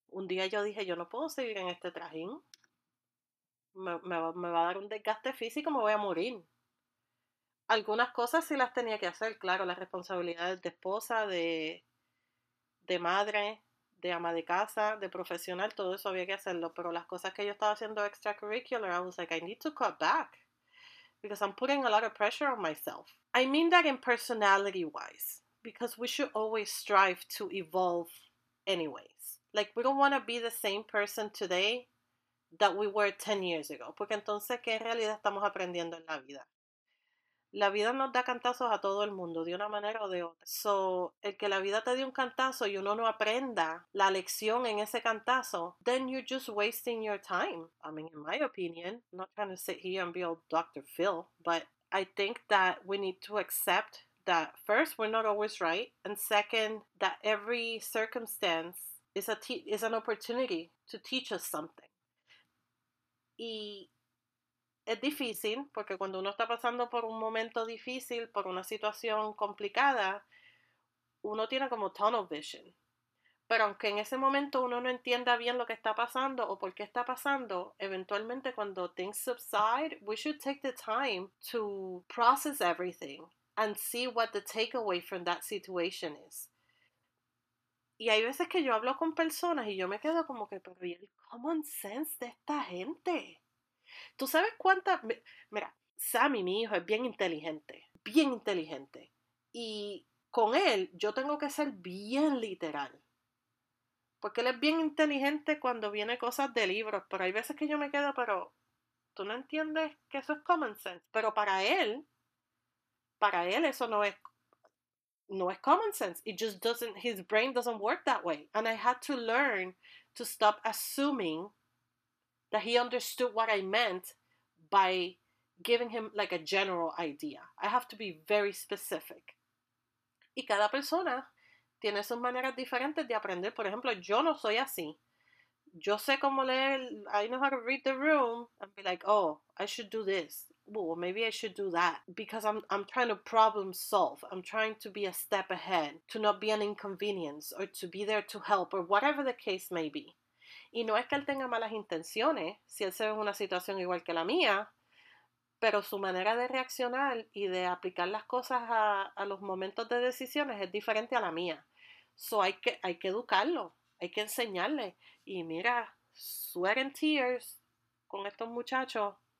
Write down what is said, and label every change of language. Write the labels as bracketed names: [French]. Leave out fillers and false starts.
[Spanish] Un día yo dije, yo no puedo seguir en este trajín. Me va a dar un desgaste físico, me voy a morir. Algunas cosas sí las tenía que hacer, claro, las responsabilidades de esposa, de madre, de ama de casa, de profesional, todo eso había que hacerlo. Pero las cosas que yo estaba haciendo extracurricular, [English] I was like, I need to cut back. Because I'm putting a lot of pressure on myself. I mean that in personality wise. Because we should always strive to evolve anyways. Like, we don't want to be the same person today that we were 10 years ago. [Spanish] Porque entonces, ¿qué en realidad estamos aprendiendo en la vida? La vida nos da cantazos a todo el mundo, de una manera o de otra. So, el que la vida te dé un cantazo y uno no aprenda la lección en ese cantazo, [English] then you're just wasting your time. I mean, in my opinion, I'm not trying to sit here and be all Dr. Phil, but I think that we need to accept that first, we're not always right, and second, that every circumstance is an opportunity to teach us something. [Spanish] Y es difícil, porque cuando uno está pasando por un momento difícil, por una situación complicada, uno tiene como [English] tunnel vision. [Spanish] Pero aunque en ese momento uno no entienda bien lo que está pasando o por qué está pasando, eventualmente cuando [English] things subside, we should take the time to process everything and see what the takeaway from that situation is. [Spanish] Y hay veces que yo hablo con personas y yo me quedo como que, pero ¿y el [English] common sense [Spanish] de esta gente? ¿Tú sabes cuántas? Mira, Sammy, mi hijo, es bien inteligente. Bien inteligente. Y con él, yo tengo que ser bien literal. Porque él es bien inteligente cuando viene cosas de libros. Pero hay veces que yo me quedo, pero tú no entiendes que eso es [English] common sense. [Spanish] Pero para él eso no es [English] common sense. It just doesn't, his brain doesn't work that way. And I had to learn to stop assuming that he understood what I meant by giving him like a general idea. I have to be very specific. [Spanish] Y cada persona tiene sus maneras diferentes de aprender. Por ejemplo, yo no soy así. Yo sé cómo leer, [English] I know how to read the room and be like, oh, I should do this. Well, maybe I should do that. Because I'm trying to problem solve. I'm trying to be a step ahead, to not be an inconvenience or to be there to help or whatever the case may be. [Spanish] Y no es que él tenga malas intenciones, si él se ve en una situación igual que la mía, pero su manera de reaccionar y de aplicar las cosas a los momentos de decisiones es diferente a la mía. So hay que educarlo, hay que enseñarle. Y mira, [English] sweat and tears [Spanish] con estos muchachos.